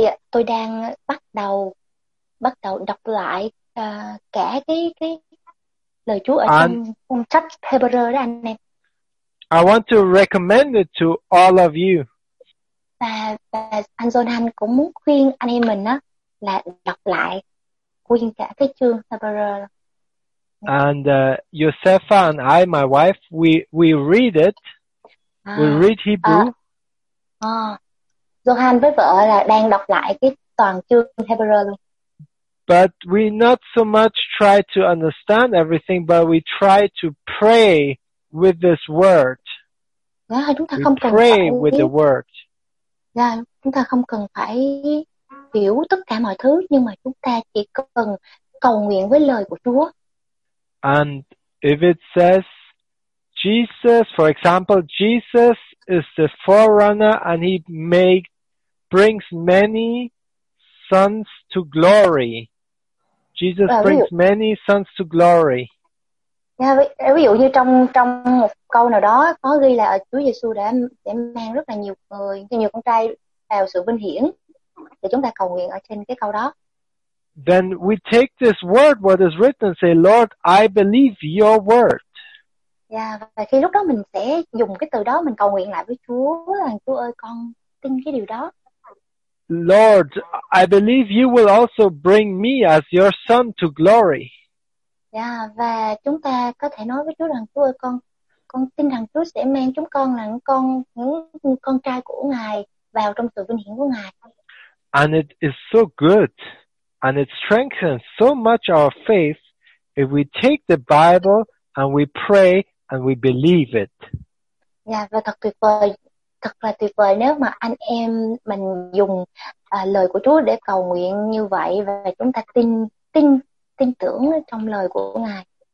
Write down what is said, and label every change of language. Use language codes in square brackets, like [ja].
[vi] Tôi đang bắt đầu đọc lại cả cái lời Chúa ở trong cuốn sách Hebrews đó anh em. [en] I want to recommend it to all of you. [vi] Và anh Jonathan cũng muốn khuyên anh em mình á là đọc lại nguyên cả cái chương Hebrews. [en] And Yosefa and I, my wife, we read it. À, we read Hebrew. [vi] Johan với vợ là đang đọc lại cái toàn chương Hebrew luôn. [en] But we not so much try to understand everything, but we try to pray with this word. [vi] Yeah, chúng ta [en] we [vi] không cần [en] pray [vi] phải... [en] with the word. [vi] Yeah, chúng ta không cần phải hiểu tất cả mọi thứ, nhưng mà chúng ta chỉ cần cầu nguyện với lời của Chúa. [en] And if it says Jesus, for example, Jesus is the forerunner and he brings many sons to glory. Jesus brings many sons to glory. [vi] Yeah, ví dụ như trong một câu nào đó có ghi là Chúa Giêsu đã mang rất là nhiều người, nhiều con trai vào sự vinh hiển. Thì chúng ta cầu nguyện ở trên cái câu đó. [en] Then we take this word, what is written, say, Lord, I believe your word. [vi] Yeah, và khi lúc đó mình sẽ dùng cái từ đó mình cầu nguyện lại với Chúa là Chúa ơi con tin cái điều đó. [en] Lord, I believe you will also bring me as your son to glory. [vi] Yeah, và chúng ta có thể nói với Chúa rằng Chúa ơi con tin rằng Chúa sẽ mang chúng con là những con trai của Ngài vào trong sự vinh hiển của Ngài. [en] And it is so good and it strengthens so much our faith if we take the Bible and we pray and we believe it. [vi] Yeah, và thật là tuyệt vời nếu mà anh em mình dùng lời của Chúa để cầu nguyện như vậy và chúng ta tin tưởng trong lời của Ngài.